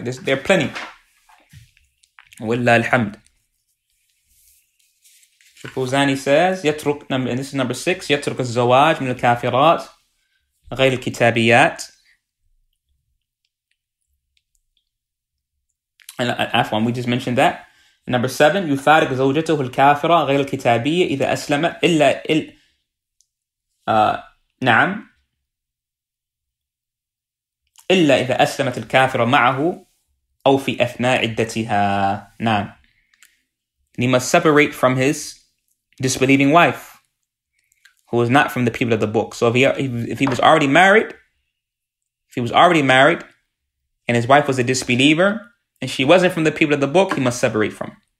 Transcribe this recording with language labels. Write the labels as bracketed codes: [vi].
[en] There are plenty. Wallah alhamd. Sheikh Fawzani says, [ar] يترك, [en] and this is number 6, [ar] يترك الزواج من الكافرات غير الكتابيات. [en] And Afwan, we just mentioned that. Number 7, [ar] يفارق زوجته الكافرة غير الكتابية إذا أسلمت إلا إل نعم إلا إذا أسلمت الكافرة معه أو في أثناء عدتها نعم. [en] He must separate from his disbelieving wife who is not from the people of the book. So if he was already married and his wife was a disbeliever and she wasn't from the people of the book, he must separate from.